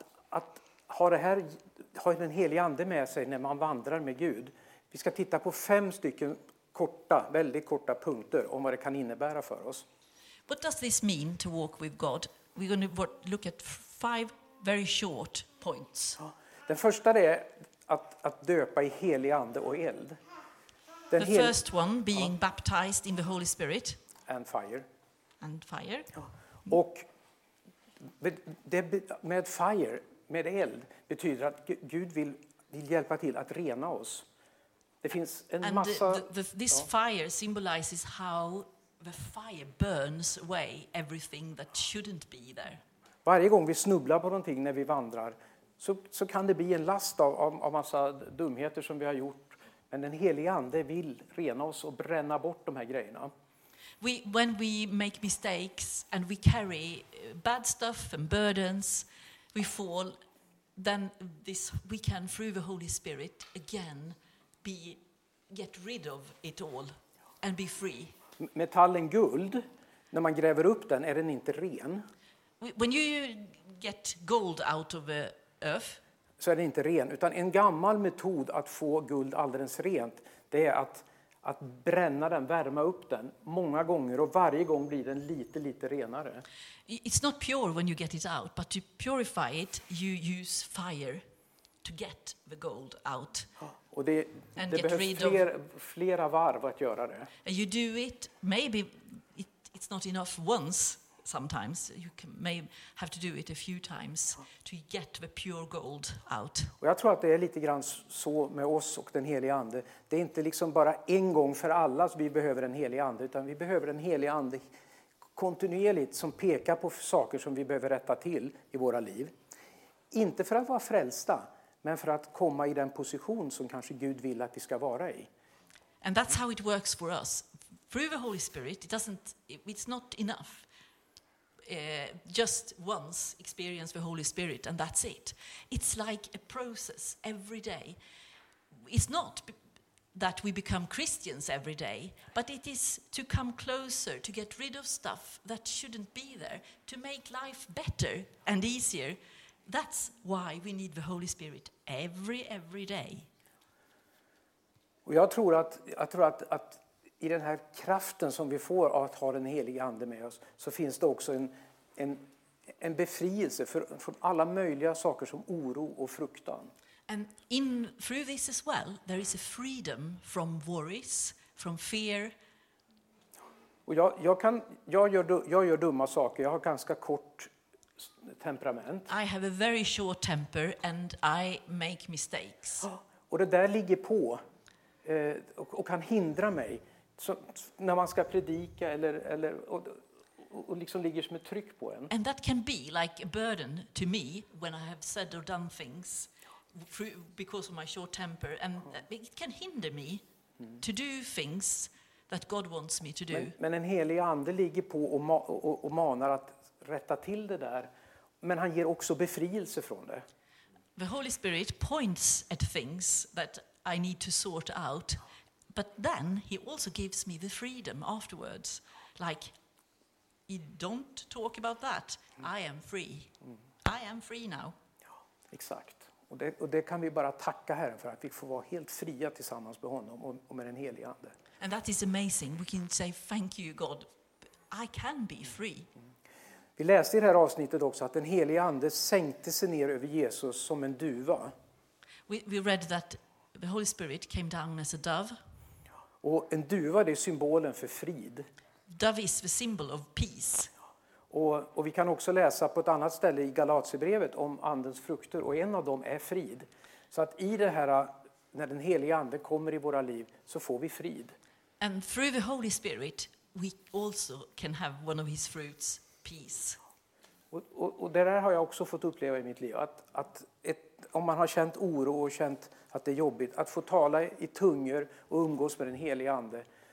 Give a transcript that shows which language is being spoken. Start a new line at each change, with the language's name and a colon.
Swedish: Att ha det här, ha den helige ande med sig när man vandrar med Gud. Vi ska titta på fem stycken korta, väldigt korta punkter om vad det kan innebära för oss.
English: What does this mean to walk with God? We're going to look at five very short points.
Swedish: Den första är att döpa i helig ande och eld.
English: Den the first one being baptized in the Holy Spirit. And fire. Ja.
Swedish: Och det med fire, med eld, betyder att Gud vill hjälpa till att rena oss. Det finns en
English: and
Swedish: massa...
English: Fire symbolizes how the fire burns away everything that shouldn't be there.
Swedish: Varje gång vi snubblar på någonting när vi vandrar, så kan det bli en last av massa dumheter som vi har gjort, men den helige ande vill rena oss och bränna bort de här grejerna.
English: When we make mistakes and we carry bad stuff and burdens, we fall, then this we can through the Holy Spirit again get rid of it all and be free.
Swedish: Metallen guld, när man gräver upp den, är den inte ren.
English: When you get gold out of the earth,
Swedish: så är den inte ren. Utan en gammal metod att få guld alldeles rent, det är att bränna den, värma upp den många gånger, och varje gång blir den lite renare.
English: It's not pure when you get it out, but to purify it you use fire to get the gold out.
Swedish: Och det behövs flera varv att göra det.
English: And you do it, maybe it's not enough once sometimes. You may have to do it a few times to get the pure gold out.
Swedish: Och jag tror att det är lite grann så med oss och den helige ande. Det är inte liksom bara en gång för alla som vi behöver den helige ande, utan vi behöver den helige ande kontinuerligt, som pekar på saker som vi behöver rätta till i våra liv. Inte för att vara frälsta, men för att komma i den position som kanske Gud vill att vi ska vara i.
English: And that's how it works for us. Through the Holy Spirit, it's not enough. Just once experience the Holy Spirit and that's it. It's like a process every day. It's not that we become Christians every day, but it is to come closer, to get rid of stuff that shouldn't be there, to make life better and easier. That's why we need the Holy Spirit every day.
Swedish: Och jag tror att i den här kraften som vi får av att ha den helige ande med oss, så finns det också en befrielse från alla möjliga saker som oro och fruktan.
English: And in through this as well, there is a freedom from worries, from fear.
Swedish: Och jag gör dumma saker. Jag har ganska kort temperament.
English: I have a very short temper and I make mistakes.
Swedish: Och det där ligger på och kan hindra mig. Så när man ska predika eller och liksom ligger som ett tryck på en.
English: And that can be like a burden to me when I have said or done things because of my short temper, and it can hinder me to do things that God wants me to do.
Swedish: Men en helig ande ligger på och manar att rätta till det där, men han ger också befrielse från det.
English: The Holy Spirit points at things that I need to sort out. But then he also gives me the freedom afterwards. Like, you don't talk about that. I am free. I am free now.
Swedish: Ja, exakt. Och det kan vi bara tacka Herren för, att vi får vara helt fria tillsammans med honom och med den helige ande.
English: And that is amazing. We can say, thank you God. I can be free. Mm.
Swedish: Vi läste i det här avsnittet också att den helige ande sänkte sig ner över Jesus som en duva.
English: We read that the Holy Spirit came down as a dove.
Swedish: Och en duva, det är symbolen för frid.
English: Dove is the symbol of peace.
Swedish: Och vi kan också läsa på ett annat ställe i Galaterbrevet om andens frukter. Och en av dem är frid. Så att i det här, när den helige ande kommer i våra liv, så får vi frid.
English: And through the Holy Spirit we also can have one of his fruits, peace.
Swedish: Och det där har jag också fått uppleva i mitt liv. Om man har känt oro och känt att det är jobbigt att få tala i tungor och umgås med den helige ande.